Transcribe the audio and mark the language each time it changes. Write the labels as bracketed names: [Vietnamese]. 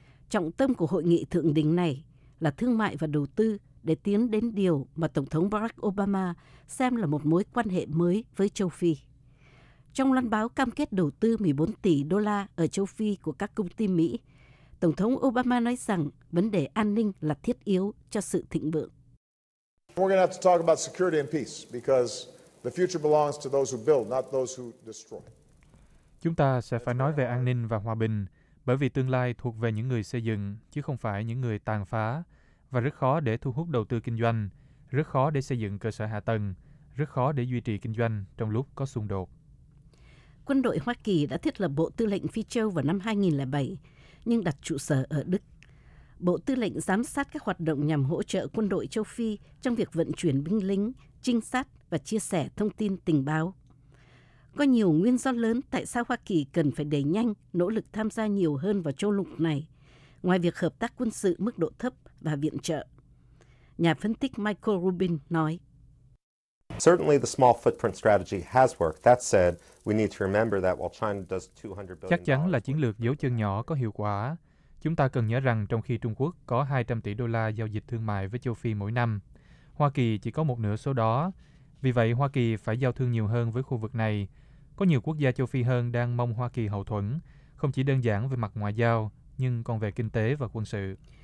[Vietnamese] Trọng tâm của hội nghị thượng đỉnh này là thương mại và đầu tư để tiến đến điều mà Tổng thống Barack Obama xem là một mối quan hệ mới với châu Phi. Trong loan báo cam kết đầu tư 14 tỷ đô la ở châu Phi của các công ty Mỹ, Tổng thống Obama nói rằng vấn đề an ninh là thiết yếu cho sự thịnh vượng. [English] We're going to have to talk about security and peace because the future belongs to those who build, not those who destroy. [Vietnamese] Chúng ta sẽ phải nói về an ninh và hòa bình, bởi vì tương lai thuộc về những người xây dựng, chứ không phải những người tàn phá, và rất khó để thu hút đầu tư kinh doanh, rất khó để xây dựng cơ sở hạ tầng, rất khó để duy trì kinh doanh trong lúc có xung đột. Quân đội Hoa Kỳ đã thiết lập Bộ Tư lệnh Phi Châu vào năm 2007, nhưng đặt trụ sở ở Đức. Bộ Tư lệnh giám sát các hoạt động nhằm hỗ trợ quân đội châu Phi trong việc vận chuyển binh lính, trinh sát và chia sẻ thông tin tình báo. Có nhiều nguyên do lớn tại sao Hoa Kỳ cần phải đẩy nhanh nỗ lực tham gia nhiều hơn vào châu lục này, ngoài việc hợp tác quân sự mức độ thấp và viện trợ. Nhà phân tích Michael Rubin nói. [English] Certainly the small footprint strategy has worked. That said, we need to remember that while China does 200 billion. [Vietnamese] Chắc chắn là chiến lược dấu chân nhỏ có hiệu quả. Chúng ta cần nhớ rằng trong khi Trung Quốc có 200 tỷ đô la giao dịch thương mại với châu Phi mỗi năm, Hoa Kỳ chỉ có một nửa số đó. Vì vậy, Hoa Kỳ phải giao thương nhiều hơn với khu vực này. Có nhiều quốc gia châu Phi hơn đang mong Hoa Kỳ hậu thuẫn, không chỉ đơn giản về mặt ngoại giao, nhưng còn về kinh tế và quân sự.